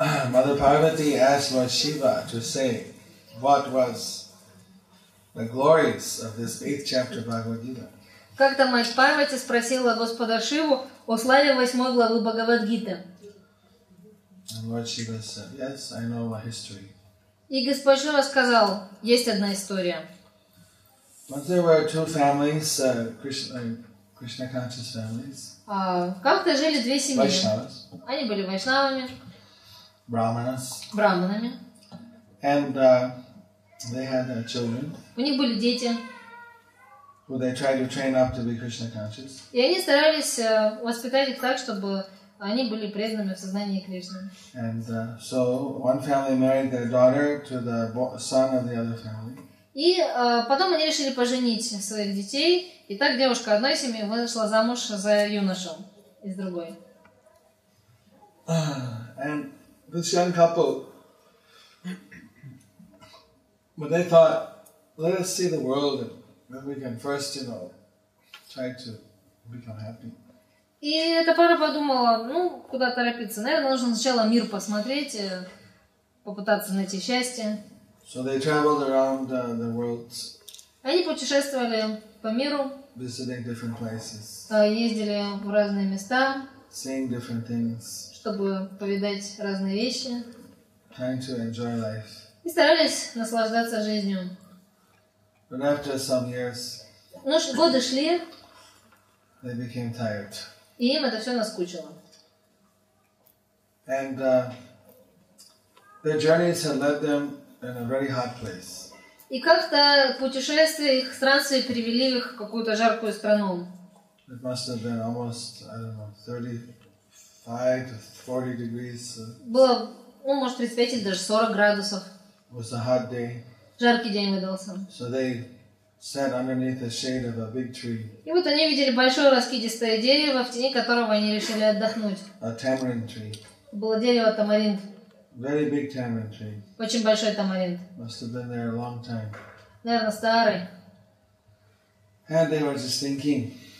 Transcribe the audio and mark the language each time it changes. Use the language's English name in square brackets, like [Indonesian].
[English] Mother Parvati asked Lord Shiva to say what was the glories of this 8th chapter of Bhagavad Gita. [Russian] Как-то мать Парвати спросила Господа Шиву о славе 8 главы Бхагавад Гиты. [English] And Lord Shiva said, yes, I know a history. [Russian] И Господь Шива сказал, есть одна история. [English] Once there were two families, Krishna conscious families. [Russian] Как-то жили две семьи. [English] Vaishnavas. [Russian] Они были вайшнавами. [English] Brahmanas. [Russian] Брахманами. [English] And they had children. [Russian] У них были дети. [English] Who they tried to train up to be Krishna conscious. [Russian] И они старались воспитать их так, чтобы они были преданными в сознании Кришны. [English] And so one family married their daughter to the son of the other family. [Russian] И потом они решили поженить своих детей, и так девушка одной семьи вышла замуж за юношу из другой. [English] And this young couple, when they thought, let us see the world and then we can first, you know, try to become happy. [Russian] И эта пара подумала, ну, куда торопиться. Наверное, нужно сначала мир посмотреть, попытаться найти счастье. [English] So they traveled around the world. [Russian] Они путешествовали по миру. [English] Visiting different places. [Russian] Ездили в разные места. [English] Seeing different things. [Russian] Чтобы повидать разные вещи. [English] Trying to enjoy life. [Russian] И старались наслаждаться жизнью. [English] But after some years, [Russian] ну, годы шли. [English] They became tired. [Russian] И им это все наскучило. [English] And their journeys had led them in a very hot place. [Russian] И как-то путешествия их странствия привели их в какую-то жаркую страну. [English] It must have been almost, I don't know, 35 to 40 degrees. [Russian] Было, ну, может, 35 или даже 40 градусов. [English] It was a hot day. [Russian] Жаркий день выдался. [English] So they sat underneath the shade of a big tree. [Russian] И вот они видели большое раскидистое дерево, в тени которого они решили отдохнуть. [English] A tamarind tree. [Russian] Было дерево тамаринд. [English] Very big tamarind tree. [Russian] Очень большой тамаринд. [English] Must have been there a long time. [Russian] Наверное, старый. [English] And they were just thinking.